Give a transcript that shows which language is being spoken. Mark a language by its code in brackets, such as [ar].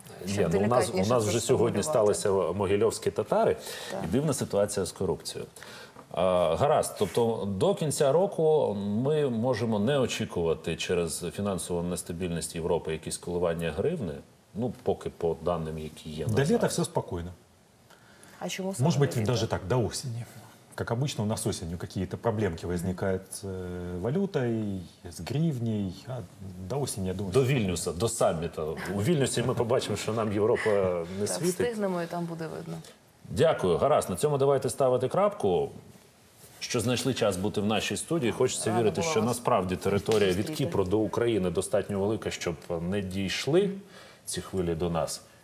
[uk] Ні, ну, у нас вже сьогодні сталися могильовські татари. Так. І дивна ситуація з корупцією. Гаразд. Тобто до кінця року ми можемо не очікувати через фінансову нестабільність Європи якісь коливання гривні. Ну, поки по даним, які є. До літа все спокійно. А чому саме? [ru] Может быть, даже так, до осени. Как обычно, у нас осенью какие-то проблемки возникают с валютой, с гривней. А до осени, я думаю... До Вильнюса, до саммита. [uk] У Вильнюсі ми побачимо, що нам Європа не світить. Встигнемо, і там буде видно. Дякую. Гаразд. На цьому давайте ставити крапку. Що знайшли час бути в нашій студії. Хочеться вірити, що насправді територія від Кіпру до України достатньо велика, щоб не дійшли ці хвилі до нас.